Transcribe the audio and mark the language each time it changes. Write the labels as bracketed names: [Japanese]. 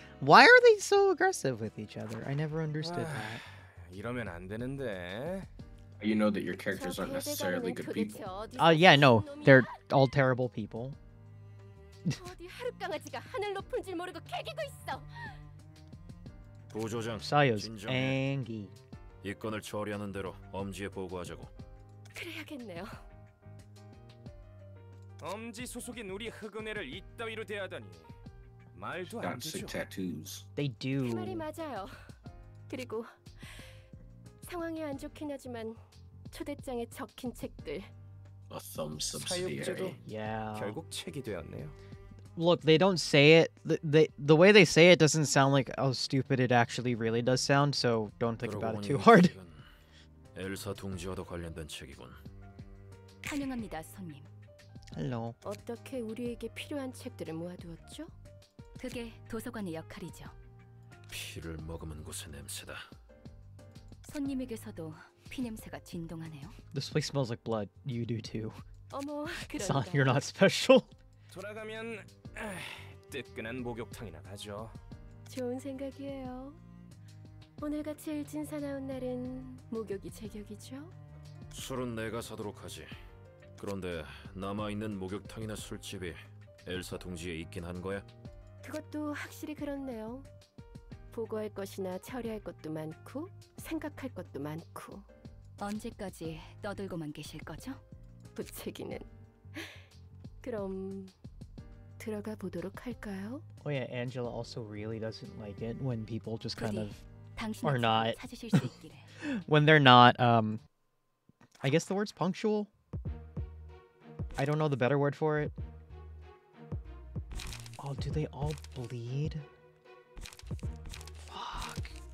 [English] Why are they so aggressive with each other? I never understood that. [Korean] 이러면 안 되는데. [English] You know that your characters aren't necessarily good people. Yeah, no, they're all terrible people. [Korean] 어디 하룻 강아지가 하늘 높은 줄 모르고 개기고 있어. 부조장, 사이오스, 앵기. 이 건을 처리하는 대로 엄지에 보고하자고. 그래야겠네요. 엄지 소속인 우리 흑은혜를 이따위로 대하다니 말도 안 되죠. [English] Tattoos. They do. [Korean] 그 말이 맞아요. 그리고 상황이 안 좋긴 하지만 초대장에 적힌 책들. [English] A thumb subsidiary. [Korean] 사육제도 [English] yeah. [Korean] 결국 책이 되었네요. [English] Look, they don't say it. The way they say it doesn't sound like how stupid it actually really does sound, so don't think about it too hard. [Korean] 엘사 둥지와도 관련된 책이군. 환영합니다, 선님. [English] Hello. [Korean] 어떻게 우리에게 필요한 책들을 모아두었죠? 그게 도서관의 역할이죠. 피를 머금은 곳의 냄새다. 손님에게서도 피 냄새가 진동하네요. [English] This place smells like blood. You do too. [Korean] 어머, 그러니까. [English] You're not special. [Korean] 돌아가면 뜨끈한 목욕탕이나 가죠. 좋은 생각이에요. 오늘같이 일진 사나운 날은 목욕이 제격이죠? 술은 내가 사도록 하지. 그런데 남아있는 목욕탕이나 술집이 엘사 동지에 있긴 한 거야? 그것도 확실히 그렇네요. 보고할 것이나 처리할 것도 많고 생각할 것도 많고. 언제까지 떠들고만 계실 거죠? 부채기는. 그럼 들어가 보도록 할까요? [English] Oh yeah, Angela also really doesn't like it when people just kind of are not when they're not I guess the word's punctual. I don't know the better word for it. Oh, do they all bleed? Fuck.